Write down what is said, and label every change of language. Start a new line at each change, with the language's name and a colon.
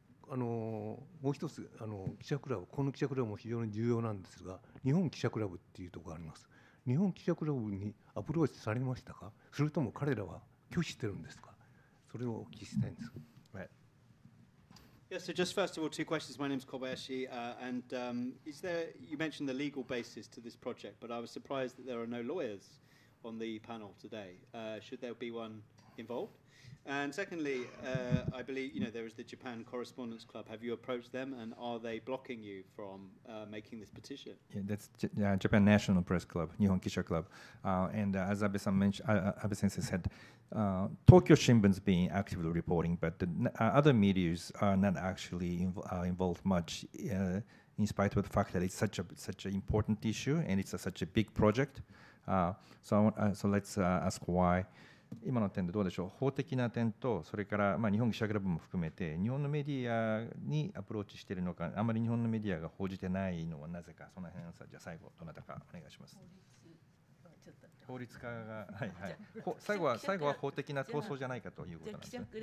Japanese: もう一つ記者クラブ、この記者クラブも非常に重要なんですが、日本記者クラブっていうところがあります。日本記者クラブにアプローチされましたか、それとも彼らは拒否してるんですか、それをお聞きしたいんですが。
English: Yes, so just first of all, two questions. My name is Kobayashi, and is there, you mentioned the legal basis to this project, but I was surprised that there are no lawyers on the panel today. Should there be one involved? And secondly, I believe, you know, there is the Japan Correspondence Club. Have you approached them, and are they blocking you from making this petition? Yeah, that's Japan National Press Club, Nihon Kisha Club. And as Abe-san mentioned, Abe-sensei said, Tokyo Shimbun's been actively reporting, but the other medias are not actually involved much, in spite of the fact that it's such an important issue and it's such a big project. So let's ask why.
Japanese: 今の点でどうでしょう、法的な点と、それからまあ日本記者クラブも含めて、日本のメディアにアプローチしているのか、あまり日本のメディアが報じてないのはなぜか、その辺さ、じゃあ最後、どなたかお願いします。法律家が、はいはい、最後は法的な闘争じゃないかということなんですね。